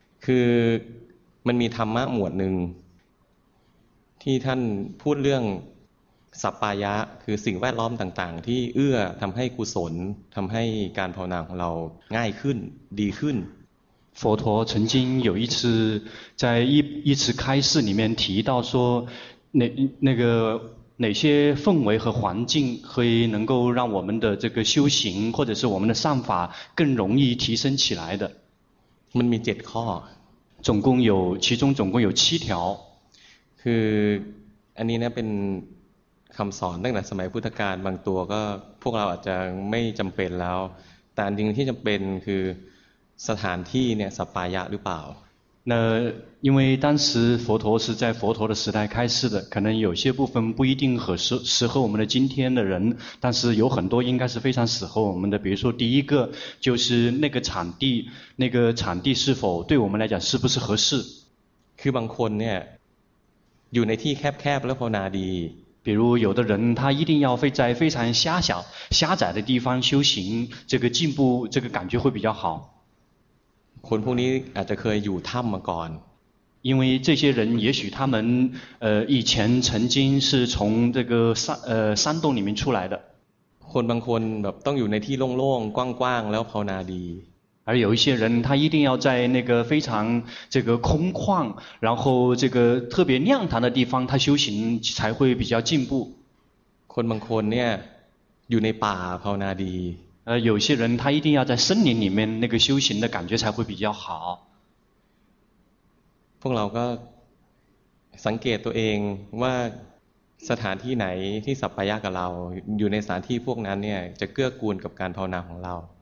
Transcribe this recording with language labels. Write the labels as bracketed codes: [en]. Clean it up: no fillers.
[th] คือมันมีธรรมะหมวดหนึ่งที่ท่านพูดเรื่องสัปปายะคือสิ่งแวดล้อมต่างๆที่เอื้อทำให้กุศลทำให้การภาวนาของเราง่ายขึ้นดีขึ้น [zh] 佛陀曾经有一次在一次开示里面提到说哪些氛围和环境可以能够让我们的这个修行或者是我们的善法更容易提升起来的 [th] มันมีเจ็ดข้อ [zh] คือ总共有七条 [th] คืออันนี้นะเป็นคำสอนตั้งแต่สมัยพุทธกาลบางตัวก็พวกเราอาจจะไม่จำเป็นแล้วแต่จริงที่จำเป็นคือสถานที่เนี่ยสัปปายะหรือเปล่า [zh] 那因为当时佛陀是在佛陀的时代开示的，可能有些部分不一定合适合我们的今天的人，但是有很多应该是非常适合我们的。比如说，第一个就是那个场地，那个场地是否对我们来讲是不是合适？ [th] คือบางคนเนี่ยอยู่ในที่แคบๆแล้วภาวนาดี。 [zh] 比如有的人他一定要在非常狭小、狭窄的地方修行，这个进步这个感觉会比较好。 [th] คนพวกนี้อาจจะเคยอยู่ถ้ำมาก่อน [zh] 因为这些人也许他们以前曾经是从这个山洞里面出来的 [th] คนบางคนแบบต้องอยู่ในที่โล่งๆกว้างๆแล้วภาวนาดี [zh] 而有一些人他一定要在那个非常这个空旷然后这个特别亮堂的地方他修行才会比较进步 [th] คนบางคนเนี่ยอยู่ในป่าภาวนาดี [zh] 有些人他一定要在森林里面那个修行的感觉才会比较好 [th] พวกเราก็สังเกตตัวเองว่าสถานที่ไหนที่สัปปายะกับเราอยู่ในสถานที่พวกนั้นเนี่ยจะเกื้อกูลกับการภาวนาของเรา